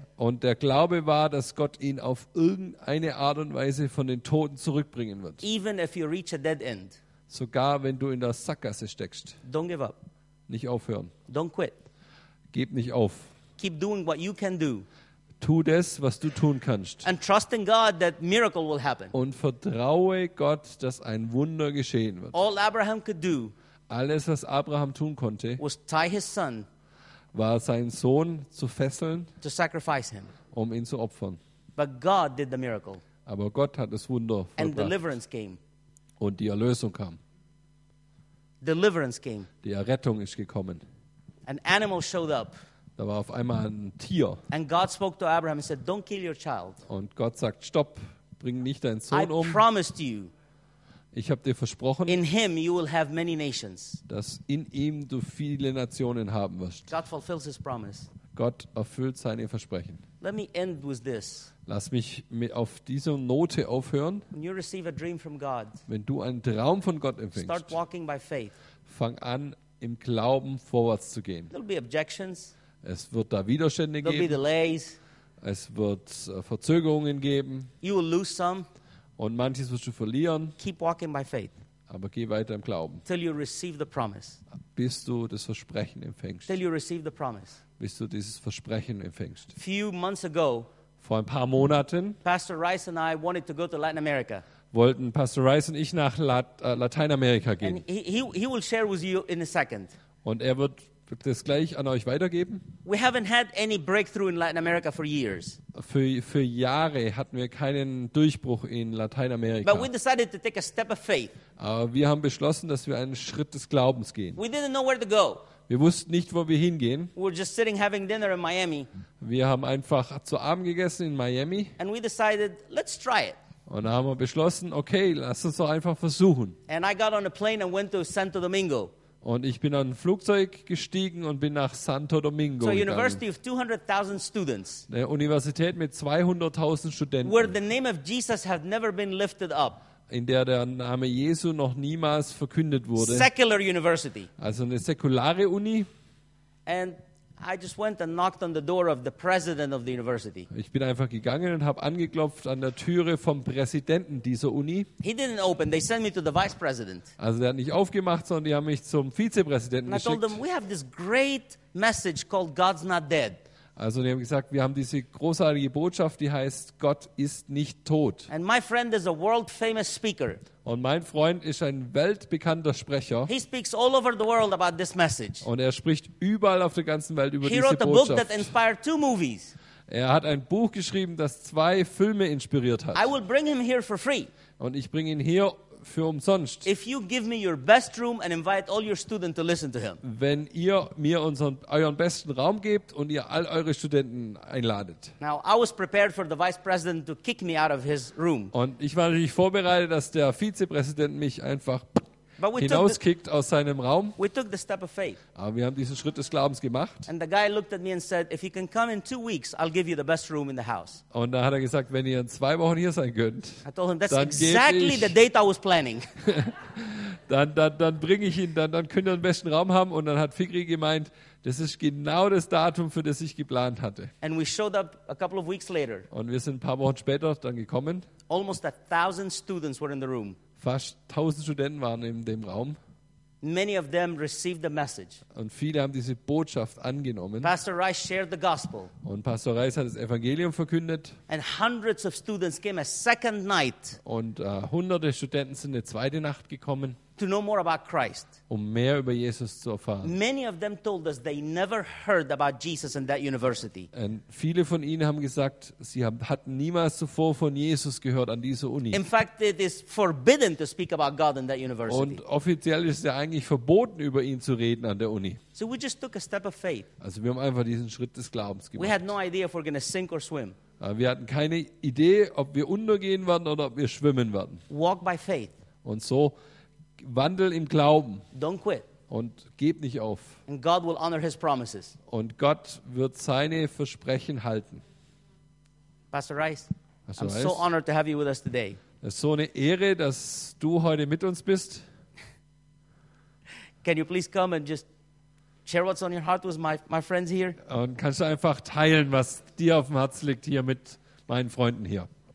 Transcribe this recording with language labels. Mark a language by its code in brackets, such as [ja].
[de] Und der Glaube war, dass Gott ihn auf irgendeine Art und Weise von den Toten zurückbringen wird. [en] Even if you reach a dead end. [de] Sogar wenn du in der Sackgasse steckst. [en] Don't give up. [de] Nicht aufhören. [en] Don't quit. [de] Gib nicht auf. [en] Keep doing what you can do. [de] Tu das, was du tun kannst. [en] And trust in God that miracle will happen. [de] Und vertraue Gott, dass ein Wunder geschehen wird. [en] All Abraham could do. [de] Alles, was Abraham tun konnte, [en] was tie his son, [de] war seinen Sohn zu fesseln, [en] to sacrifice him. [de] Um ihn zu opfern. [en] But God did the miracle. [de] Aber Gott hat das Wunder vollbracht. [en] And deliverance came. [de] Und die Erlösung kam. [en] Deliverance came. [de] Die Errettung ist gekommen. [en] An animal showed up. [de] Da war auf einmal ein Tier. [en] And God spoke to Abraham and said, "Don't kill your child." [de] Und Gott sagt, stopp, bring nicht deinen Sohn um. [en] I promised you. [de] Ich habe dir versprochen, [en] in him you will have many nations. [de] Dass in ihm du viele Nationen haben wirst. [en] God fulfills his promise. [de] Gott erfüllt seine Versprechen. [en] Let me end with this. [de] Lass mich auf dieser Note aufhören. [en] When you receive a dream from God, [de] wenn du einen Traum von Gott empfängst, [en] start walking by faith. [de] Fang an, im Glauben vorwärts zu gehen. [en] There'll be objections. [de] Es wird da Widerstände [en] There'll [de] geben. [en] Be delays. [de] Es wird Verzögerungen geben. [en] You will lose some. [de] Und manches wirst du verlieren. [en] Keep walking by faith. [de] Aber geh weiter im Glauben. [en] Till you receive the promise. [de] Bis du das Versprechen empfängst. [en] Till you receive the promise. [de] Bis du dieses Versprechen empfängst. [en] Few months ago, [de] vor ein paar Monaten, [en] Pastor Rice and I wanted to go to Latin America. [de] Wollten Pastor Rice und ich nach Lateinamerika gehen. [en] And he will share with you in a second. [de] Und wird das gleich an euch weitergeben? [en] We haven't had any breakthrough in Latin America for years. [de] Für Jahre hatten wir keinen Durchbruch in Lateinamerika. [en] But we decided to take a step of faith. [de] Aber wir haben beschlossen, dass wir einen Schritt des Glaubens gehen. [en] We didn't know where to go. [de] Wir wussten nicht, wo wir hingehen. [en] We were just sitting having dinner in Miami. [de] Wir haben einfach zu Abend gegessen in Miami. [en] And we decided, let's try it. [de] Und dann haben wir beschlossen, okay, lass uns doch einfach versuchen. [en] And I got on a plane and went to Santo Domingo. [de] Und ich bin an ein Flugzeug gestiegen und bin nach Santo Domingo gegangen. [en] So, University of 200,000 students. [de] Eine Universität mit 200,000 Studenten. [en] Where the name of Jesus had never been lifted up. [de] In der Name Jesu noch niemals verkündet wurde. [en] Secular university. [de] Also eine säkulare Uni. [en] And I just went and knocked on the door of the president of the university. [de] Ich bin einfach gegangen und habe angeklopft an der Türe vom Präsidenten dieser Uni. [en] He didn't open. They sent me to the vice president. [de] Also der hat nicht aufgemacht, sondern die haben mich zum Vizepräsidenten geschickt. [en] I told them, we have this great message called God's not dead. [de] Also die haben gesagt, wir haben diese großartige Botschaft, die heißt, Gott ist nicht tot. [en] And my friend is a world famous speaker. [de] Und mein Freund ist ein weltbekannter Sprecher. [en] He speaks all over the world about this message. [de] Und er spricht überall auf der ganzen Welt über diese Botschaft. [en] He wrote a book that inspired two movies. [de] Er hat ein Buch geschrieben, das zwei Filme inspiriert hat. [en] I will bring him here for free. [de] Und ich bringe ihn hier für umsonst. [en] If you give me your best room and invite all your students to listen to him. [de] Wenn ihr mir euren besten Raum gebt und ihr all eure Studenten einladet. [en] Now I was prepared for the vice president to kick me out of his room. [de] Und ich war natürlich vorbereitet, dass der Vizepräsident mich einfach hinauskickt aus seinem Raum. [en] We took the step of faith. [de] Aber wir haben diesen Schritt des Glaubens gemacht. [en] And the guy looked at me and said, if you can come in 2 weeks, I'll give you the best room in the house. [de] Und da hat er gesagt, wenn ihr in 2 Wochen hier sein könnt, [en] I told him, that's exactly the date I was planning. [de] dann bringe ich ihn, dann könnt ihr den besten Raum haben. Und dann hat Fikri gemeint, das ist genau das Datum, für das ich geplant hatte. [en] And we showed up a couple of weeks later. [de] Und wir sind ein paar Wochen später dann gekommen. [en] Almost 1,000 students were in the room. [de] Fast 1,000 Studenten waren in dem Raum. [en] Many of them received the message. [de] Und viele haben diese Botschaft angenommen. [en] Pastor Rice shared the gospel. [de] Und Pastor Rice hat das Evangelium verkündet. [en] And hundreds of students came a second night. [de] Und hunderte Studenten sind eine zweite Nacht gekommen. [en] To know more about Christ. [de] Um mehr über Jesus zu erfahren. [en] Many of them told us they never heard about Jesus in that university. [de] Und viele von ihnen haben gesagt, sie hatten niemals zuvor von Jesus gehört an dieser Uni. [en] In fact, it is forbidden to speak about God in that university. [de] Und offiziell ist ja eigentlich verboten, über ihn zu reden an der Uni. [en] So we just took a step of faith. [de] Also wir haben einfach diesen Schritt des Glaubens gemacht. [en] We had no idea if we're going to sink or swim. [de] Wir hatten keine Idee, ob wir untergehen werden oder ob wir schwimmen werden. [en] Walk by faith. [de] Und so wandel im Glauben. [en] Don't quit. [de] Und gib nicht auf. [en] And God will honor his promises. [de] Und Gott wird seine Versprechen halten. [en] Pastor Rice, [de] Pastor Rice, [en] I'm so honored to have you with us today. [de] Es ist so eine Ehre, dass du heute mit uns bist. [en] Can you please come and just share what's on your heart with my friends here? [de] Und kannst du einfach teilen, was dir auf dem Herzen liegt hier mit meinen Freunden hier?